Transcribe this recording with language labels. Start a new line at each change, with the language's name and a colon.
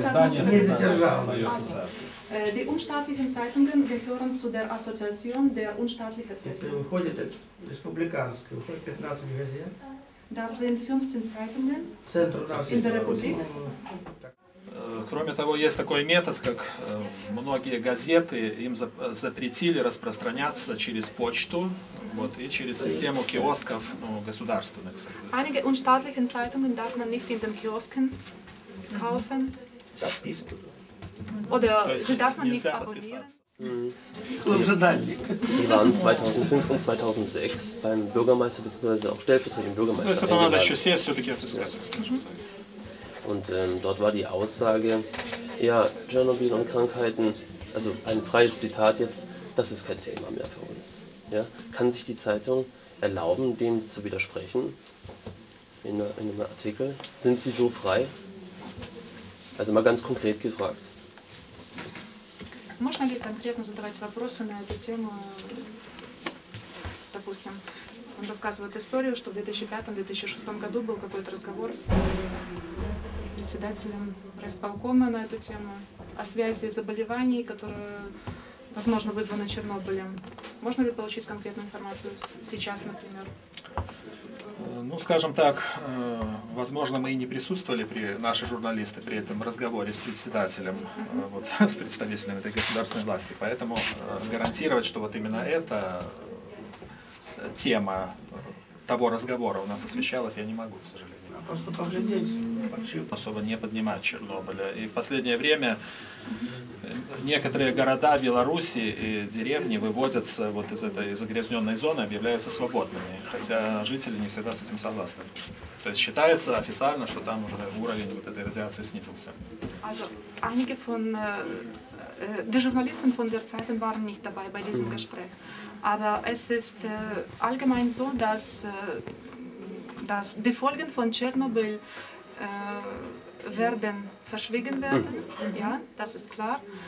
German: Die unstaatlichen Zeitungen gehören zu der Assoziation der unstaatlichen Presse. Das sind 15 Zeitungen in der Republik.
Russian: Кроме того, есть такой метод, как многие газеты, им запретили распространяться через почту вот, и через систему киосков ну, государственных.
German: Einige unstaatlichen Zeitungen darf man nicht in den Kiosken kaufen. Oder sie darf man nicht abonnieren. Wir waren 2005 und 2006 beim Bürgermeister bzw. auch stellvertretenden Bürgermeister. Das ist Und dort war die Aussage, ja, Tschernobyl und Krankheiten, also ein freies Zitat jetzt, das ist kein Thema mehr für uns. Ja? Kann sich die Zeitung erlauben, dem zu widersprechen? In einem Artikel? Sind Sie so frei? Also mal ganz konkret gefragt.
Russian: Можно ли конкретно задавать вопросы на эту тему? Допустим, он рассказывает историю, что в 2005-2006 году был какой-то разговор с председателем райисполкома на эту тему о связи заболеваний, которые, возможно, вызваны Чернобылем. Можно ли получить конкретную информацию сейчас, например? Ну, скажем так, возможно, мы и не присутствовали, при наши журналисты, при этом разговоре с председателем, вот, с представителем этой государственной власти. Поэтому гарантировать, что вот именно эта тема того разговора у нас освещалась, я не могу, к сожалению. Просто поглядеть. Особо не поднимать Чернобыля. И в последнее время некоторые города Беларуси и деревни выводятся вот из этой загрязненной зоны, объявляются свободными, хотя жители не всегда с этим согласны. То есть считается официально, что там уже уровень вот этой радиации снизился.
German: Also einige von den Journalisten von der Zeitung waren nicht dabei bei diesem Gespräch, aber es ist allgemein so, dass die Folgen von Tschernobyl werden verschwiegen werden, ja, das ist klar.